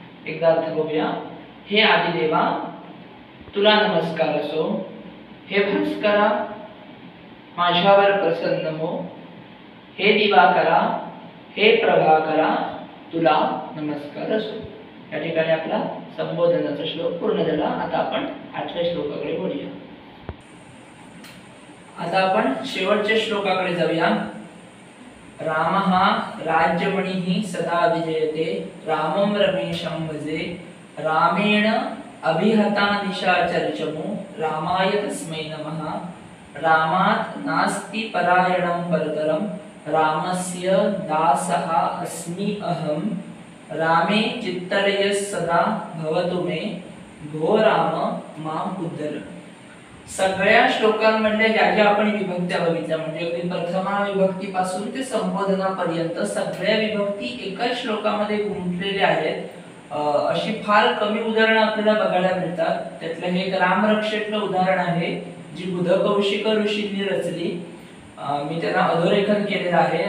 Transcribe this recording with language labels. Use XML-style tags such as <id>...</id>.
<mr>एकदा अर्थ बघूया, हे आदिदेवा तुला नमस्कार असो, हे भास्करा माझ्यावर प्रसन्न हो, हे दिवाकरा, हे प्रभाकरा तुला नमस्कार असो। या ठिकाणी आपला संबोधनाचा श्लोक पूर्ण झाला। आता आपण आठव्या श्लोकाकडे वळूया। आता आपण शेवटच्या श्लोकाकडे जाऊया।</mr> <sa>रामः राज्यमणिः सदा विजयते, रामं रमेशं भजे, रामेण अभिहता निशाचरचमु, रामाय तस्मै नमः, रामात् नास्ति परायणं परतरं, रामस्य दासः अस्मि अहम्, रामे चित्तरयः सदा भवतु मे, भो राम मां उद्धर।</sa> <mr>सगळ्या श्लोकांमधल्या ज्या ज्या आपण विभक्त्या बघितल्या, म्हणजे अगदी प्रथमा विभक्तीपासून ते संबोधनापर्यंत सगळ्या विभक्ती एकाच श्लोकामध्ये गुंतलेल्या आहेत, अशी फार कमी उदाहरणं आपल्याला बघायला मिळतात। त्यातलं हे एक रामरक्षकचं उदाहरण आहे जी बुधकौशिक ऋषींनी रचली, मी त्यांना अधोरेखन केलेलं आहे।</mr>